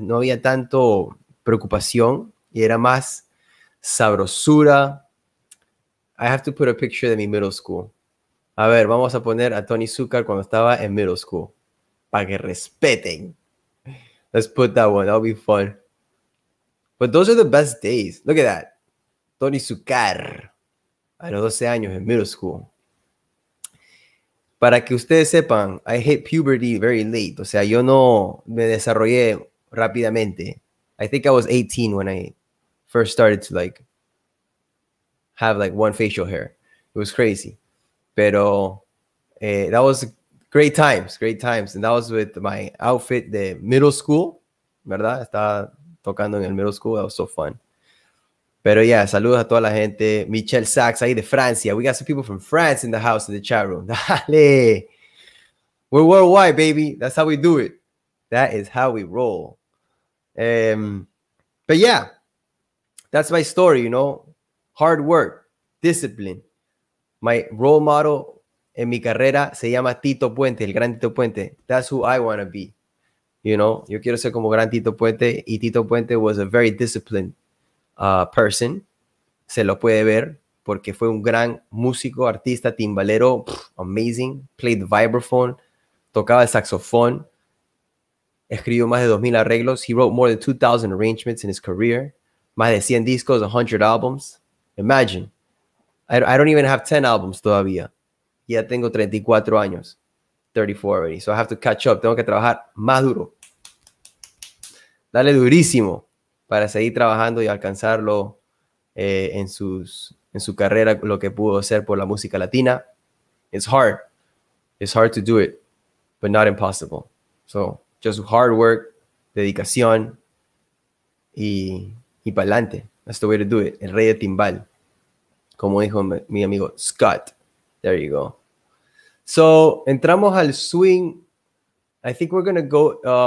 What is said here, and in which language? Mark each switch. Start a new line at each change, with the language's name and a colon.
Spanish: No había tanto preocupación y era más sabrosura.
English: I have to put a picture of my middle school.
Spanish: A ver, vamos a poner a Tony Zucker cuando estaba en middle school. Para que respeten.
English: Let's put that one. That'll be fun. But those are the best days. Look at that.
Spanish: Tony Sukar, a los 12 años en middle school. Para que ustedes sepan,
English: I hit puberty very late.
Spanish: O sea, yo no me desarrollé rápidamente.
English: I think I was 18 when I first started to like have like one facial hair. It was crazy.
Spanish: Pero
English: that was great times, great times. And that was with my outfit
Spanish: de
English: middle school,
Spanish: ¿verdad? Estaba tocando en el middle school.
English: That was so fun.
Spanish: Pero yeah, saludos a toda la gente. Michelle Sachs ahí de Francia.
English: We got some people from France in the house, in the chat room.
Spanish: Dale.
English: We're worldwide, baby. That's how we do it. That is how we roll. But yeah, that's my story, you know. Hard work, discipline. My role model
Spanish: en mi carrera se llama Tito Puente, el gran Tito Puente.
English: That's who I want to be. You know,
Spanish: yo quiero ser como gran Tito Puente.
English: Y Tito Puente was a very disciplined person.
Spanish: Se lo puede ver porque fue un gran músico, artista, timbalero.
English: Pff, amazing. Played the vibraphone.
Spanish: Tocaba el saxofón. Escribió más de 2,000 arreglos.
English: He wrote more than 2,000 arrangements in his career.
Spanish: Más de 100 discos,
English: 100 albums. Imagine. I don't even have 10 albums
Spanish: todavía. Ya tengo 34 años.
English: 34 already. So I have to catch up.
Spanish: Tengo que trabajar más duro. Dale durísimo para seguir trabajando y alcanzarlo en su carrera, lo que pudo hacer por la música latina.
English: It's hard. It's hard to do it, but not impossible. So just hard work,
Spanish: dedicación y para adelante.
English: That's the way to do it.
Spanish: El rey de timbal. Como dijo mi amigo Scott.
English: There you go. So,
Spanish: entramos al swing.
English: I think we're going to go.